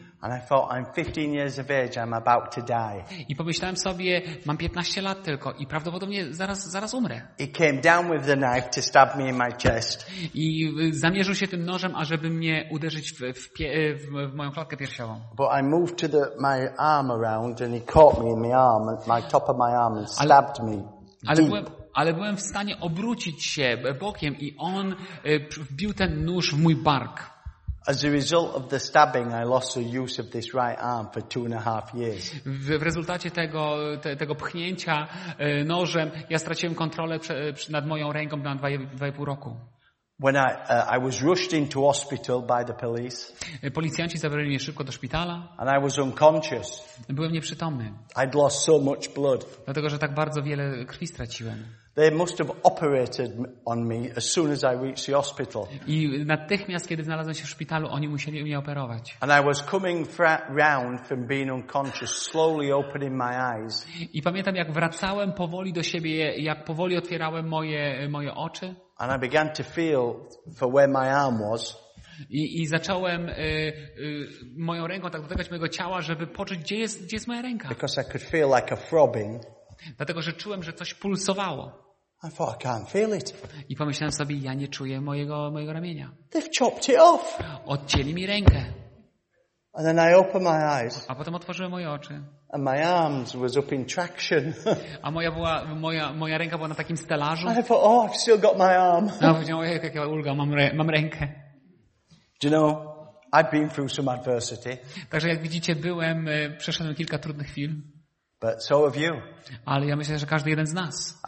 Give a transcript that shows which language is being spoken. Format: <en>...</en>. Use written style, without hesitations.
<en>And I thought, I'm 15 years of age, I'm about to die.</en> <pl>I pomyślałem sobie, mam 15 lat tylko i prawdopodobnie zaraz umrę.</pl> <en>He came down with the knife to stab me in my chest.</en> <pl>I zamierzył się tym nożem, ażeby mnie uderzyć w moją klatkę piersiową.</pl> <en>But I moved to my arm around and he caught me in my arm, my top of my arm and stabbed me.</en> <pl>Ale byłem w stanie obrócić się bokiem i on wbił ten nóż w mój bark.</pl> <en>As a result of the stabbing, I lost the use of this right arm for 2.5 years.</en> <pl>W rezultacie tego pchnięcia nożem, ja straciłem kontrolę nad moją ręką na 2.5 roku.</pl> <en>When I was rushed into hospital by the police.</en> <pl>Policjanci zabrali mnie szybko do szpitala.</pl> <en>And I was unconscious.</en> <pl>Byłem nieprzytomny.</pl> <en>I'd lost so much blood.</en> <pl>Dlatego, że tak bardzo wiele krwi straciłem.</pl> <en>They must have operated on me as soon as I reached the hospital.</en> <pl>I natychmiast, kiedy znalazłem się w szpitalu, oni musieli mnie operować.</pl> <en>And I was coming round from being unconscious, slowly opening my eyes.</en> <pl>I pamiętam, jak wracałem powoli do siebie, jak powoli otwierałem moje oczy.</pl> <en>And I began to feel for where my arm was.</en> <pl>I zacząłem moją ręką tak dotykać mojego ciała, żeby poczuć, gdzie jest moja ręka.</pl> <en>Because I could feel like a throbbing.</en> <pl>Dlatego, że czułem, że coś pulsowało.</pl> <en>I thought, I can't feel it.</en> <pl>I pomyślałem sobie, ja nie czuję mojego ramienia.</pl> <en>They've chopped it off.</en> <pl>Odcięli mi rękę.</pl> <en>And then I opened my eyes.</en> <pl>A potem otworzyłem moje oczy.</pl> <en>And my arms was up in traction.</en> <pl>A moja ręka była na takim stelażu.</pl> <en>I thought, oh, I've still got my arm.</en> <pl>A powiedziałem, ojej, jaka ulga, mam rękę.</pl> <en>Do you know, I've been through some adversity.</en> <pl>Także jak widzicie, przeszedłem kilka trudnych chwil.</pl> <en>But so have you.</en> <pl>Ale ja myślę, że każdy jeden z nas.</pl>